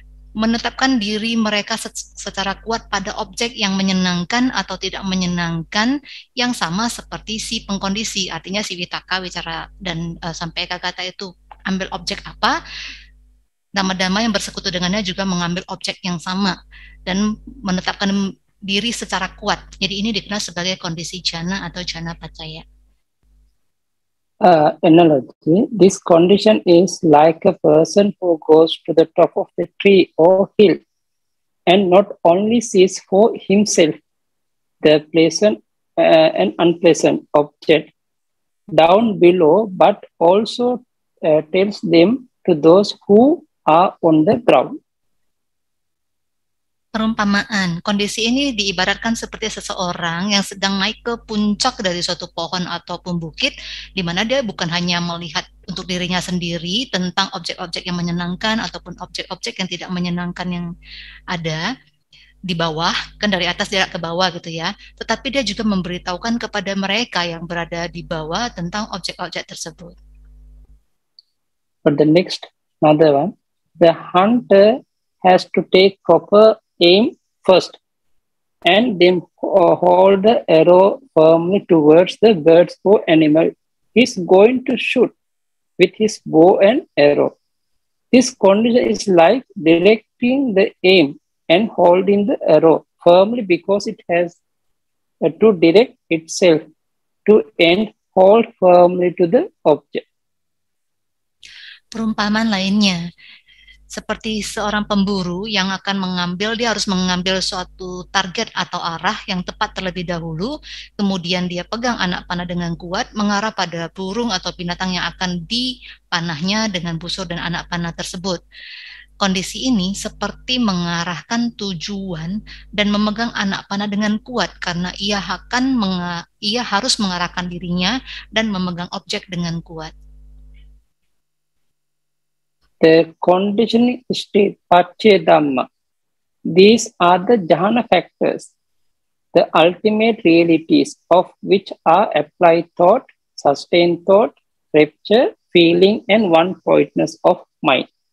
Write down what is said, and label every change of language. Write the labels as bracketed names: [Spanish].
[Indonesian] menetapkan diri mereka secara kuat pada objek yang menyenangkan atau tidak menyenangkan yang sama seperti si pengkondisi, artinya si vitaka, wicara, dan sampai kagata itu ambil objek apa, dhamma-dhamma yang bersekutu dengannya juga mengambil objek yang sama dan menetapkan diri secara kuat. Jadi ini dikenal sebagai kondisi jhana atau jhana paccaya. [English] Analogy, this condition is like a person who goes to the top of the tree or hill and not only sees for himself the pleasant and unpleasant object down below, but also tells them to those who are on the ground. [Indonesian] Perumpamaan, kondisi ini diibaratkan seperti seseorang yang sedang naik ke puncak dari suatu pohon ataupun bukit, di mana dia bukan hanya melihat untuk dirinya sendiri tentang objek-objek yang menyenangkan ataupun objek-objek yang tidak menyenangkan yang ada di bawah, kan dari atas dia ke bawah gitu ya, tetapi dia juga memberitahukan kepada mereka yang berada di bawah tentang objek-objek tersebut. [English] For the next, another one, the hunter has to take proper aim first and then hold the arrow firmly towards the birds or animal he's going to shoot with his bow and arrow. This condition is like directing the aim and holding the arrow firmly because it has to direct itself to end hold firmly to the object. [Indonesian] Perumpamaan lainnya, seperti seorang pemburu yang akan mengambil, dia harus mengambil suatu target atau arah yang tepat terlebih dahulu, kemudian dia pegang anak panah dengan kuat, mengarah pada burung atau binatang yang akan dipanahnya dengan busur dan anak panah tersebut. Kondisi ini seperti mengarahkan tujuan dan memegang anak panah dengan kuat, karena ia harus mengarahkan dirinya dan memegang objek dengan kuat. [English] The conditioning state, paccaya dhamma, these are the jhana factors, the ultimate realities of which are applied thought, sustained thought, rapture, feeling and one-pointedness of mind.